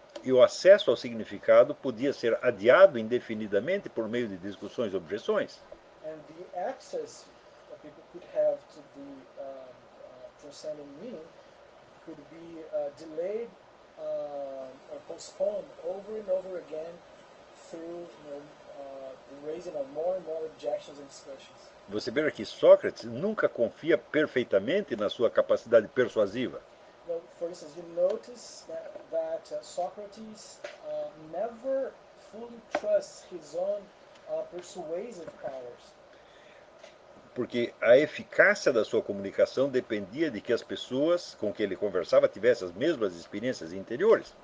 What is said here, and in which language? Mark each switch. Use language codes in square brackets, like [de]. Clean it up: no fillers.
[pt] E o acesso ao significado podia ser adiado indefinidamente por meio de discussões e objeções. [en] And the access that people could have to the transcendent meaning could be delayed or postponed over and over again through the raising of more and more objections and discussions. [pt] Você vê que Sócrates nunca confia perfeitamente na sua capacidade persuasiva. [en] For instance, you notice that Socrates never fully trusts his own persuasive powers. [pt] Porque a eficácia da sua comunicação dependia de que as pessoas com que ele conversava tivessem as mesmas experiências interiores.